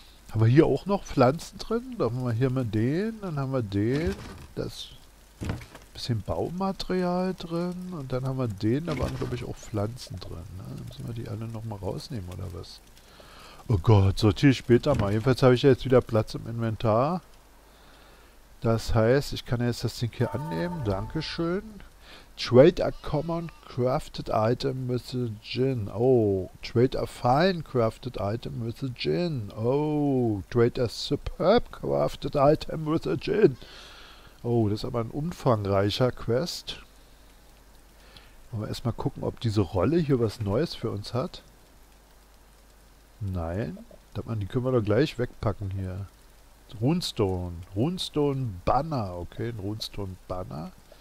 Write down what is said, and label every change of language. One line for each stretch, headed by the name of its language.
German: Haben wir hier auch noch Pflanzen drin? Da haben wir hier mal den, dann haben wir den, das bisschen Baumaterial drin und dann haben wir den, da waren glaube ich auch Pflanzen drin. Ne? Dann müssen wir die alle nochmal rausnehmen oder was? Oh Gott, sortiere ich später mal. Jedenfalls habe ich ja jetzt wieder Platz im Inventar. Das heißt, ich kann jetzt das Ding hier annehmen. Dankeschön.
English: Trade a common crafted item with the djinn. Oh, trade a fine crafted item with the djinn. Oh, trade a superb crafted item with the djinn.
German: Oh, das ist aber ein umfangreicher Quest. Wollen wir erstmal gucken, ob diese Rolle hier was Neues für uns hat. Nein, die können wir doch gleich wegpacken hier. Runestone. Runestone Banner. Okay, ein Runestone Banner.